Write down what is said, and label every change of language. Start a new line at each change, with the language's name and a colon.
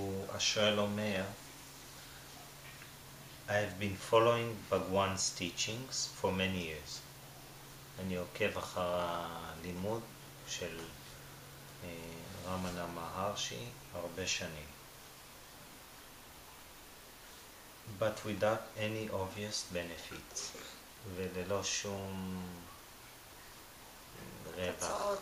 Hebrew: השואל אומר,
English: I have been following Bhagwan's teachings for many years.
Hebrew: אני עוקב אחר הלימוד של רמנה מהרשי הרבה שנים.
English: But without any obvious benefits,
Hebrew: וללא שום רווח.